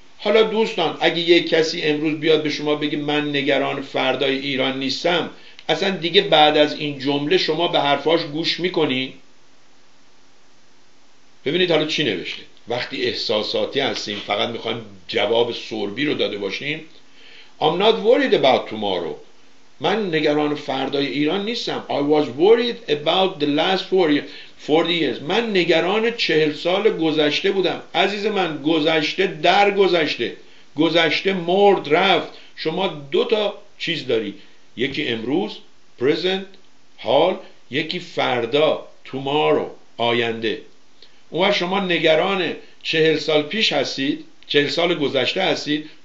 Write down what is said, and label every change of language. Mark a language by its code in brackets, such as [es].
[fa] حالا دوستان اگه یه کسی امروز بیاد به شما بگه من نگران فردای ایران نیستم، اصلا دیگه بعد از این جمله شما به حرفاش گوش میکنی؟ ببینید حالا چی نوشته. وقتی احساساتی هستیم فقط میخوایم جواب سوربی رو داده باشیم. [en] I'm not worried about tomorrow. [fa] من نگران فردای ایران نیستم. [en] I was worried about the last 40 years. [fa] من نگران 40 سال گذشته بودم. عزیز من گذشته در گذشته، گذشته مرد رفت. شما دو تا چیز داری، یکی امروز present حال، یکی فردا tomorrow آینده. اون وقت شما نگران 40 سال پیش هستید، 40 سال گذشته هستید.